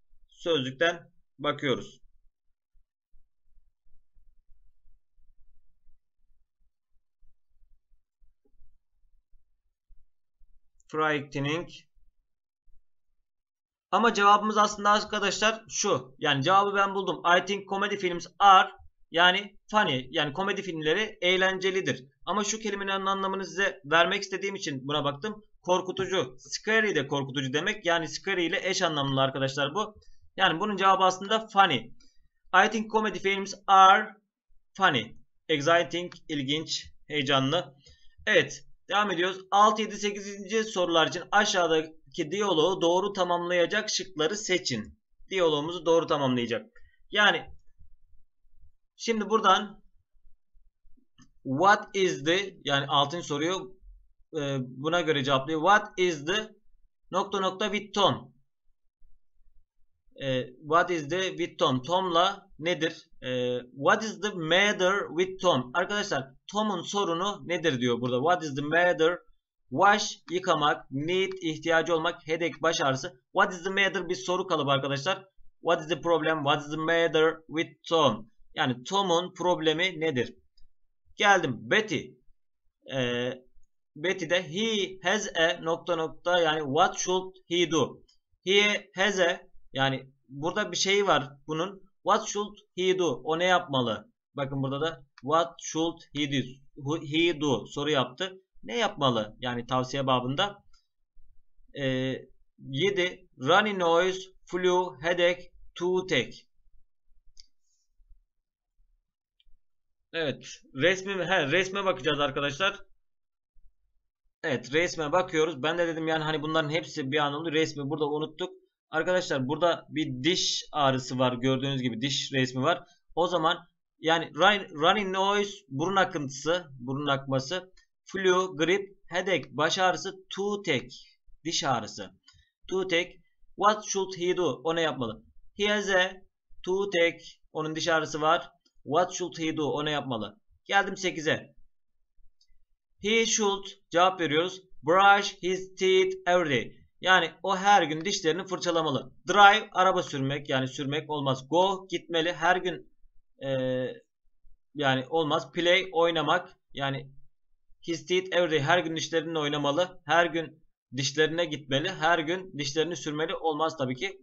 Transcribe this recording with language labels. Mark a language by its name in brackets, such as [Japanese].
[Turkish] Sözlükten bakıyoruz. [English] Frightening. [Turkish] Ama cevabımız aslında arkadaşlar şu. Yani cevabı ben buldum. [English] I think comedy films are [Turkish] yani [English] funny. [Turkish] Yani komedi filmleri eğlencelidir. Ama şu kelimenin anlamını size vermek istediğim için buna baktım. Korkutucu. Scary de korkutucu demek. Yani scary ile eş anlamlı arkadaşlar bu. Yani bunun cevabı aslında funny. [English] I think comedy films are funny. [Turkish] Exciting, ilginç, heyecanlı. Evet, devam ediyoruz. 6, 7, 8. sorular için aşağıdaki diyaloğu doğru tamamlayacak şıkları seçin. Diyaloğumuzu doğru tamamlayacak. Yani şimdi buradan what is the yani altın soruyor buna göre cevaplıyor. [English] What is the [Turkish] nokta nokta [English] with Tom? What is the with Tom? [Turkish] Tom'la nedir? [English] What is the matter with Tom? [Turkish] Arkadaşlar Tom'un sorunu nedir diyor burada. [English] What is the matter? [Turkish] Wash yıkamak, need ihtiyacı olmak, headache baş ağrısı. [English] What is the matter? [Turkish] Bir soru kalıbı arkadaşlar. [English] What is the problem? What is the matter with Tom? [Turkish] Yani Tom'un problemi nedir? Geldim. [English] Betty. Betty de he has a [Turkish] nokta nokta yani [English] what should he do? He has a [Turkish] yani burada bir şey var bunun. [English] What should he do? [Turkish] O ne yapmalı? Bakın burada da what should he do? Soru yaptı. Ne yapmalı? Yani tavsiye babında. 7. [English] Runny nose, flu, headache, toothache. [Turkish] Evet, resme bakacağız arkadaşlar. Evet, resme bakıyoruz. Ben de dedim yani hani bunların hepsi bir an oldu. Resmi burada unuttuk. Arkadaşlar burada bir diş ağrısı var. Gördüğünüz gibi diş resmi var. O zaman yani running noise burun akıntısı, burun akması, flu, grip, headache, baş ağrısı, toothache, diş ağrısı. [English] Toothache, what should he do? [Turkish] O ne yapmalı? [English] He has a toothache. [Turkish] Onun diş ağrısı var. [English] What should he do? [Turkish] O ne yapmalı? Geldim 8'e. [English] He should [Turkish] cevap veriyoruz. [English] Brush his teeth every day. [Turkish] Yani o her gün dişlerini fırçalamalı. Drive araba sürmek yani sürmek olmaz. Go gitmeli her gün yani olmaz. Play oynamak yani [English] his teeth every day [Turkish] her gün dişlerini oynamalı. Her gün dişlerine gitmeli. Her gün dişlerini sürmeli olmaz tabii ki.